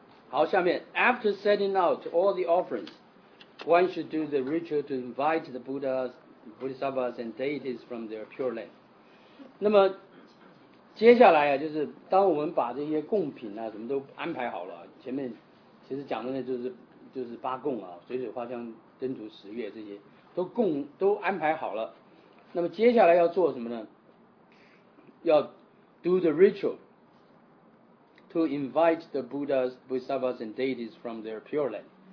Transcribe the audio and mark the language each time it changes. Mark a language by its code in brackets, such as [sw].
[zh] 好，下面 [en] after setting out all the offerings, one should do the ritual to invite the Buddhas, Bodhisattvas and deities from their pure land. [zh] 那么接下来啊，就是当我们把这些贡品啊什么都安排好了，前面其实讲的呢就是八供啊，水水花香灯烛十月这些都安排好了，那么接下来要做什么呢？ [en] 要 do the ritual to invite the Buddhas, Bodhisattvas and deities from their pure land.